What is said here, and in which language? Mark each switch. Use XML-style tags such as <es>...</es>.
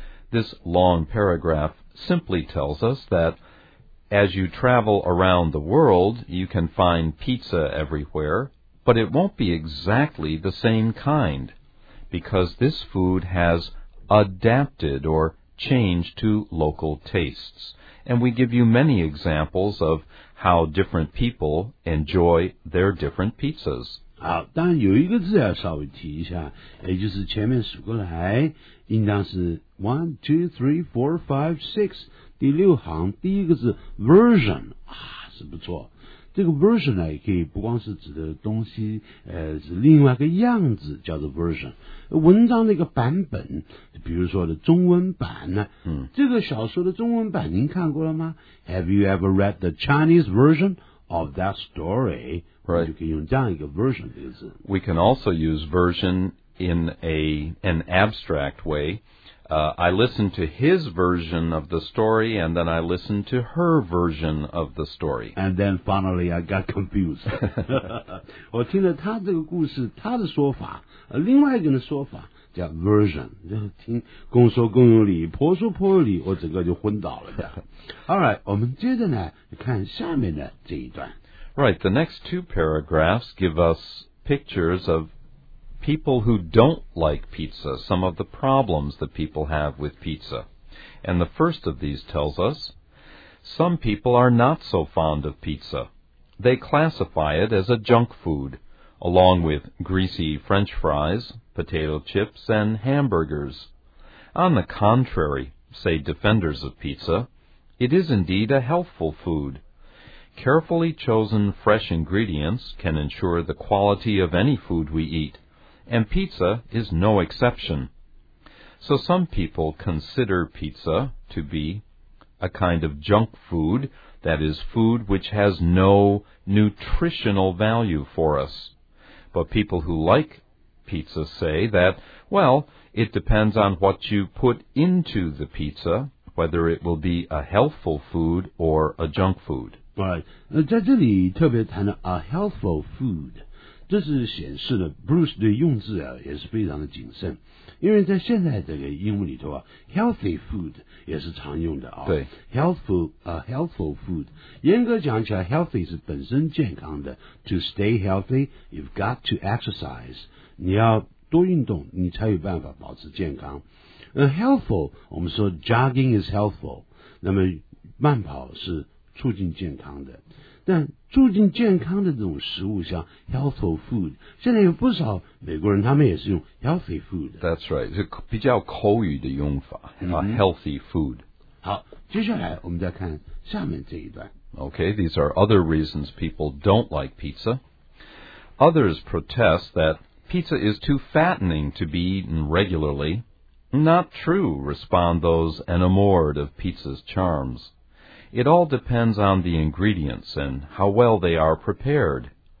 <en>This long paragraph simply tells us that as you travel around the world, you can find pizza everywhere, but it won't be exactly the same kind, because this food has adapted or changed to local tastes. And we give you many examples of how different people enjoy their different pizzas.</en> <zh>好，当然有一个字要稍微提一下，也就是前面数过来，应当是 1, 2, 3, 4, 5, 6第六行第一个字 version 啊是不错，这个 version 呢，也可以不光是指的东西，是另外一个样子，叫做 version。文章的一个版本，比如说的中文版呢，嗯，这个小说的中文版您看过了吗</zh> <en>？Have you ever read the Chinese version of that story？ Right，</en> <zh>就可以用这样一个 version 这个字。</zh> <en>We can also use version in an abstract way。 I listened to his version of the story, and then I listened to her version of the story. And then finally, I got confused.</en> <zh>我听了他这个故事，他的说法，另外一个人的说法叫 version， 就听公说公有理，婆说婆有理，我整个就昏倒了。 All right， 我们接着呢，看下面的这一段。</zh> <en>Right, the next two paragraphs give us pictures of people who don't like pizza, some of the problems that people have with pizza. And the first of these tells us, some people are not so fond of pizza. They classify it as a junk food, along with greasy French fries, potato chips, and hamburgers. On the contrary, say defenders of pizza, it is indeed a healthful food. Carefully chosen fresh ingredients can ensure the quality of any food we eat. And pizza is no exception. So some people consider pizza to be a kind of junk food, that is, food which has no nutritional value for us. But people who like pizza say that, well, it depends on what you put into the pizza, whether it will be a healthful food or a junk food. Right.</en> <zh>在这里特别谈到 a healthful food. 这是显示的 Bruce 对用字啊也是非常的谨慎，因为在现在这个英文里头啊 healthy food 也是常用的啊，对 healthful food， 严格讲起来 healthy 是本身健康的，</zh> <en>to stay healthy you've got to exercise，</en> <zh>你要多运动你才有办法保持健康。 healthful 我们说</zh> <en>jogging is healthful，</en> <zh>那么慢跑是促进健康的，但促进健康的这种食物像 healthful food， 现在有不少美国人他们也是用 healthy food。 That's right， 是比较口语的用法、healthy food。好，接下来我们再看下面这一段。</zh> <en>Okay， these are other reasons people don't like pizza. Others protest that pizza is too fattening to be eaten regularly. Not true, respond those enamored of pizza's charmsIt all depends on the ingredients and how well they are prepared.</en>